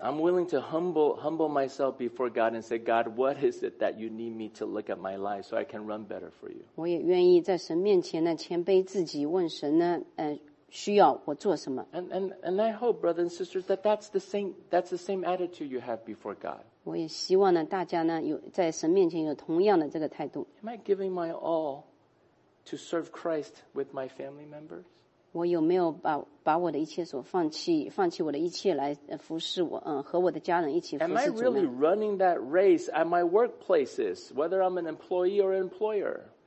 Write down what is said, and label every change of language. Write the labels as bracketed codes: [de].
[en] I'm willing to humble myself before God and say, God, what is it that you need me to look at my life so I can run better for you? [zh] 我也愿意在神面前呢谦卑自己，问神呢，需要我做什么。 [en] And I hope, brothers and sisters, that's the same attitude you have before God. [zh] 我也希望呢，大家呢有在神面前有同样的这个态度。 [en] Am I giving my all to serve Christ with my family members? [zh] 我有没有把我的一切所放弃我的一切来服侍我和我的家人一起服侍主呢？ [en] Am I really running that race at my workplaces, whether I'm an employee or an employer?